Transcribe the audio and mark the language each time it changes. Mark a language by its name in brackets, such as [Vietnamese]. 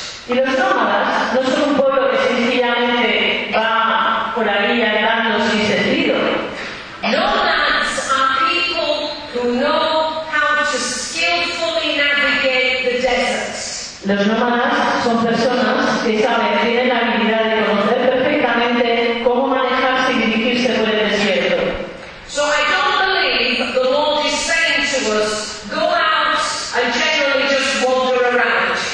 [Spanish] Y los nómadas no son un pueblo que sencillamente va por ahí andando sin sentido. [English] Nomads are people who know how to skillfully navigate the deserts. [Spanish] Los nómadas son personas que saben, tienen la habilidad de conocer perfectamente cómo manejarse y dirigirse por el desierto. [English] So I don't believe the Lord is saying to us, go out and generally just wander around.